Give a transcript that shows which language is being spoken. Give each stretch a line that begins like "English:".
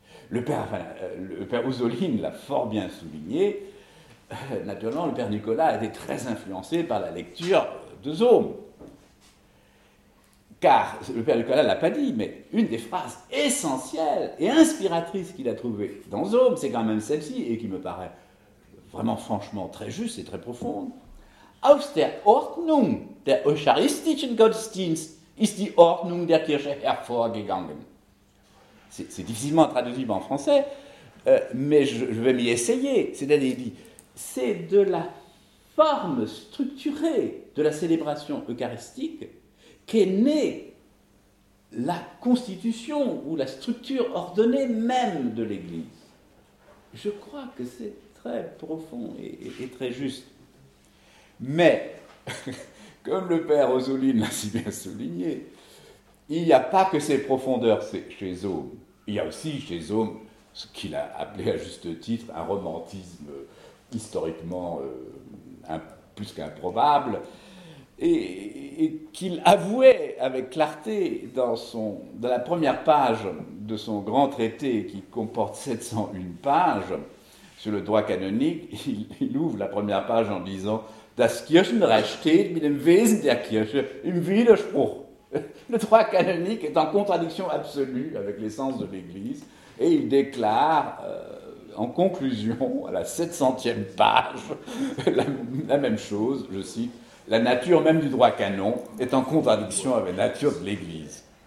French: Le père Ouzoline l'a fort bien souligné, naturellement le père Nicolas a été très influencé par la lecture de Zaume. Car le père Nicolas ne l'a pas dit, mais une des phrases essentielles et inspiratrices qu'il a trouvées dans Zaume, c'est quand même celle-ci, et qui me paraît vraiment franchement très juste et très profonde.
German: Aus der Ordnung der eucharistischen Gottesdienst ist die Ordnung der Kirche hervorgegangen.
French: C'est difficilement traduisible en français, mais je vais m'y essayer. C'est de la forme structurée de la célébration eucharistique qu'est née la constitution ou la structure ordonnée même de l'Église. Je crois que c'est très profond et très juste. Mais, comme le père Ouzoline l'a si bien souligné, il n'y a pas que ces profondeurs chez Zaume. Il y a aussi chez Zaume ce qu'il a appelé à juste titre un romantisme historiquement plus qu'improbable, et qu'il avouait avec clarté dans la première page de son grand traité qui comporte 701 pages sur le droit canonique. Il ouvre la première page en disant «
German: Das Kirchenrecht steht mit dem Wesen der Kirche im Widerspruch ».
French: Le droit canonique est en contradiction absolue avec l'essence de l'Église, et il déclare en conclusion, à la 700e page, la même chose, je cite, la nature même du droit canon est en contradiction avec la nature de l'Église.